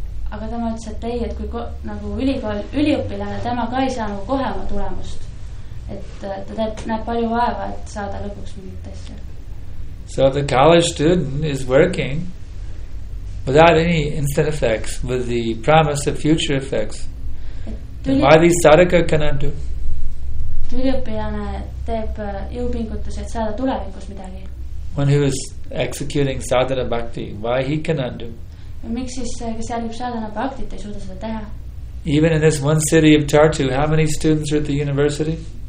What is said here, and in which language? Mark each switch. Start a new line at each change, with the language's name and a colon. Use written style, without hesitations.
Estonian: Aga tema ütles, et ei, et kui nagu üliõpilane, tema ka ei saa kohe oma tulemust. Et ta näeb palju vaeva, et saada lõpuks mingit asja.
English: So the college student is working without any instant effects, with the promise of future effects. Why these sadhaka cannot do?
Estonian: Üliõpilane teeb jõupingutus, et saada tulevikus midagi.
English: When he was executing sadhana bhakti, why he cannot do? Even in this one city of Tartu, how many students are at the university?